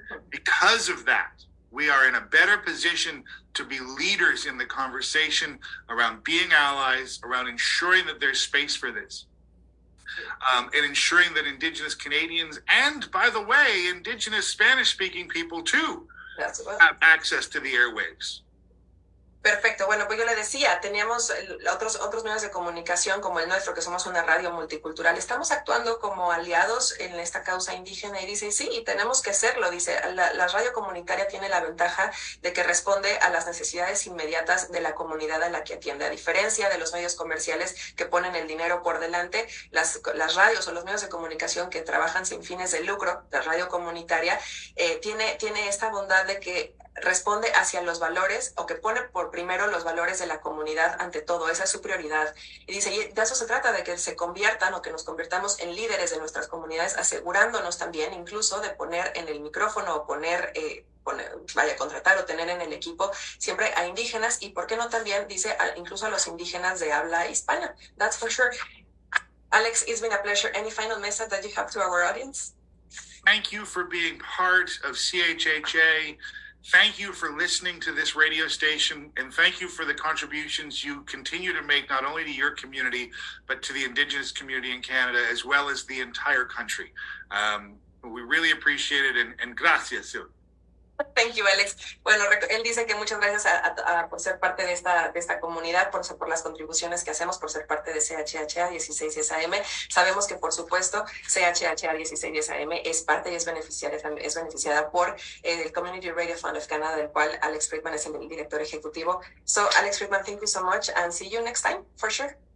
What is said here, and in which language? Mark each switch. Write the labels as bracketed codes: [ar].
[en] Because of that, we are in a better position to be leaders in the conversation around being allies, around ensuring that there's space for this, and ensuring that Indigenous Canadians, and by the way, Indigenous Spanish-speaking people too, have access to the airwaves. [es] Perfecto. Bueno, pues yo le decía, teníamos otros medios de comunicación como el nuestro, que somos una radio multicultural. Estamos actuando como aliados en esta causa indígena. Y dice, sí, y tenemos que hacerlo. Dice, la radio comunitaria tiene la ventaja de que responde a las necesidades inmediatas de la comunidad a la que atiende. A diferencia de los medios comerciales que ponen el dinero por delante, las radios o los medios de comunicación que trabajan sin fines de lucro, la radio comunitaria, tiene esta bondad de que responde hacia los valores, o que pone por primero los valores de la comunidad ante todo. Esa es su prioridad. Y dice, y de eso se trata, de que se conviertan, o que nos convirtamos en líderes de nuestras comunidades, asegurándonos también incluso de poner en el micrófono, o contratar o tener en el equipo siempre a indígenas, y por qué no también, dice, incluso a los indígenas de habla hispana. [en] That's for sure. Alex, it's been a pleasure. Any final message that you have to our audience? Thank you for being part of CHHA. Thank you for listening to this radio station, and thank you for the contributions you continue to make, not only to your community, but to the Indigenous community in Canada, as well as the entire country. We really appreciate it, and gracias, Sue. Thank you, Alex. [es] Bueno, él dice que muchas gracias por ser parte de esta comunidad, por las contribuciones que hacemos, por ser parte de CHHA 1610 AM. Sabemos que, por supuesto, CHHA 1610 AM es parte y es beneficiada por el Community Radio Fund of Canada, del cual Alex Friedman es el director ejecutivo. [en] So, Alex Friedman, thank you so much, and see you next time, for sure.